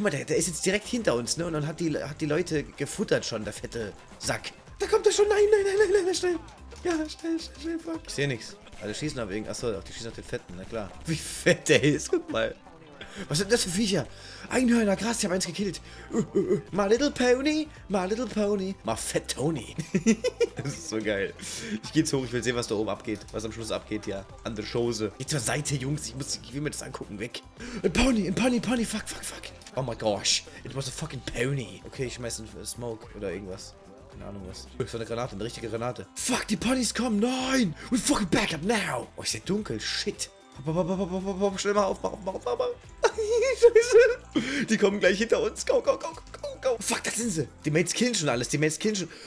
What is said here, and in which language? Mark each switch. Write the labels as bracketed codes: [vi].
[de] Guck mal, der ist jetzt direkt hinter uns, ne? Und dann hat die Leute gefuttert schon, der fette Sack. Da kommt er schon. Nein, nein, nein, nein, nein, schnell. Ja, schnell, schnell, schnell, fuck. Ich seh nix. Alle schießen auf irgendeinen. Achso, die schießen auf den Fetten, na klar. Wie fett der ist, guck mal. Was sind das für Viecher? Einhörner, krass, ich hab eins gekillt. [en] My little pony, my little pony. My fat Tony. [de] Das ist so geil. Ich geh jetzt hoch, ich will sehen, was da oben abgeht. Was am Schluss abgeht, ja. An der Schose. Geh zur Seite, Jungs, ich will mir das angucken, weg. Ein Pony, Pony, fuck, fuck, fuck. [en] Oh my gosh, it was a fucking pony. [de] Okay, ich schmeiß einen Smoke oder irgendwas. Keine Ahnung was. So eine Granate, eine richtige Granate. Fuck, die Ponys kommen, nein. [en] We fucking back up now. [de] Oh, ist ja dunkel, shit. Schnell mal auf, mal auf, mal auf, mal auf. Scheiße. Die kommen gleich hinter uns. [en] Go, go, go, go, go. [de] Fuck, da sind sie. Die Mates killen schon alles. Die Mates killen schon.